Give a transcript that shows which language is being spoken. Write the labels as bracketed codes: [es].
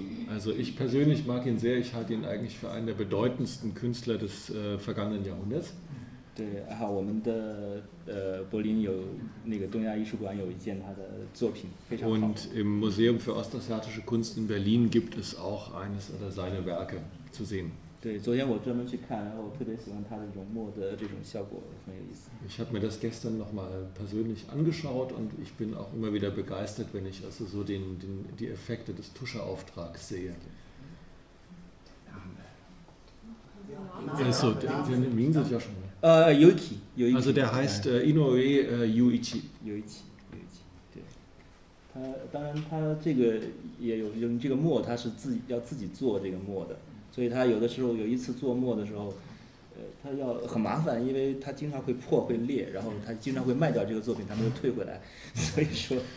[de] Also ich persönlich mag ihn sehr, ich halte ihn eigentlich für einen der bedeutendsten Künstler des vergangenen Jahrhunderts. [zh] 对，还好我们的柏林有那个东亚艺术馆有一件他的作品，非常好。 [de] Und im Museum für Ostasiatische Kunst in Berlin gibt es auch eines oder seine Werke zu sehen. [zh] 对，昨天我专门去看，然后我特别喜欢他的容墨的这种效果，很有意思。 [de] Ich habe mir das gestern noch mal persönlich angeschaut und ich bin auch immer wieder begeistert, wenn ich also so die Effekte des Tuscheauftrags sehe. Also, den Ming sind ja schon. Yuichi. Also, der heißt Inoue Yuichi. [zh] Yuichi. Yuichi. 对。他当然他这个也有用这个墨，他是自己要自己做这个墨的，所以他有的时候有一次做墨的时候，他要很麻烦，因为他经常会破会裂，然后他经常会卖掉这个作品，他们又退回来，所以说。